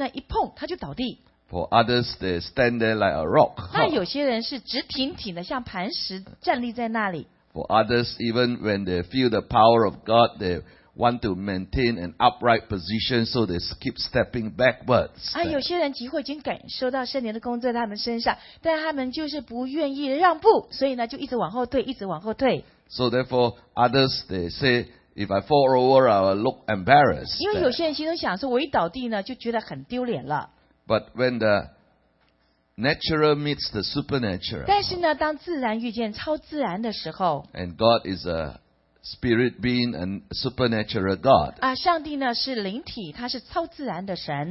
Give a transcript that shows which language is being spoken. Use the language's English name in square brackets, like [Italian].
[Chinese] 有些人呢，圣灵的工作在他身上，因为他里面软弱，很脆弱，所以呢，一碰他就倒地。For [English] others, they stand there like a rock. [Chinese] 那有些人是直挺挺的，像磐石站立在那里。For [English] others, even when they feel the power of God, they want to maintain an upright position, so they keep stepping backwards. [Chinese] 有些人几乎已经感受到圣灵的工作在他们身上，但他们就是不愿意让步，所以呢，就一直往后退，一直往后退。So [English] therefore, others they say, if I fall over, I will look embarrassed. [Chinese] 因为有些人心中想说，我一倒地呢，就觉得很丢脸了。But [English] when the natural meets the supernatural. [Chinese] 但是呢，当自然遇见超自然的时候。And [English] God is a spirit being and supernatural God. [Chinese] 上帝呢是灵体，他是超自然的神。